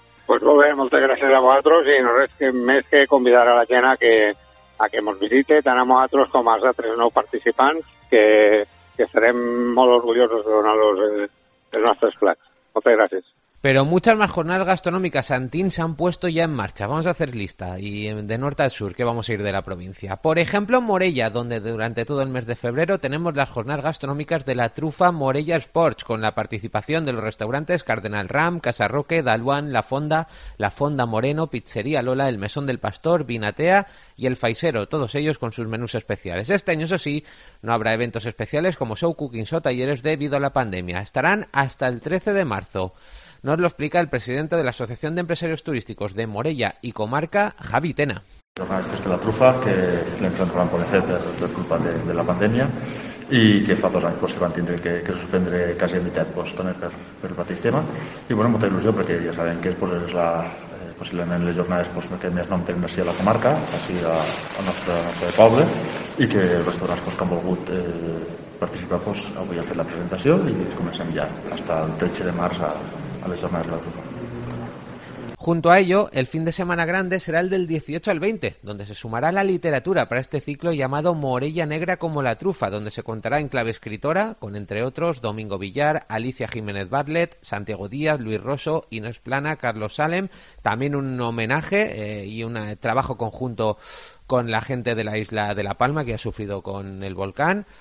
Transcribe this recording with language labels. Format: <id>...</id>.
<ca>Pues molt bé, moltes gràcies a vosaltres i no res més que convidar a la gent a que ens visite, tant a nosaltres com als altres nous participants, que serem molt orgullosos de donar-los els nostres plats. Moltes gràcies. Però moltes més jornades gastronòmiques Santín s'han puesto ja en marxa.</ca> <es>Vamos a hacer lista. I de nord al sur, que vamos a ir de la província. Por ejemplo, Morella, donde durante todo el mes de febrero tenemos las jornadas gastronómicas de la trufa Morella Sports, con la participación de los restaurantes Cardenal Ram, Casa Roque, Daluan, La Fonda, La Fonda Moreno, Pizzería Lola, El Mesón del Pastor, Vinatea y El Faisero, todos ellos con sus menús especiales. Este año, eso sí, no habrá eventos especiales como show cookings o talleres debido a la pandemia. Estarán hasta el 13 de marzo. Nos lo explica el presidente de la Asociación de Empresarios Turísticos de Morella y Comarca, Javi Tena.</es> <ca>Jornadas de la trufa, que l'hem plantat per fer per culpa de la pandèmia i que fa dos anys, pues, se van tindre que suspendre quasi a mitat, pues, també per el mateix tema. I, bueno, molta il·lusió, perquè ja sabem que, pues, és possiblement les jornades, pues, que més nom tenen així a la comarca, així al nostre poble, i que els restaurants, pues, que han volgut participar, pues, avui han fet la presentació i comencem ja, fins al 13 de març a les jornades de la trufa.</ca> <es>Junto a ello, el fin de semana grande será el del 18 al 20, donde se sumará la literatura para este ciclo llamado Morella Negra como la trufa, donde se contará en clave escritora con, entre otros, Domingo Villar, Alicia Jiménez Bartlett, Santiago Díaz, Luis Rosso, Inés Plana, Carlos Salem, también un homenaje y un trabajo conjunto con la gente de la isla de La Palma, que ha sufrido con el volcán.</es>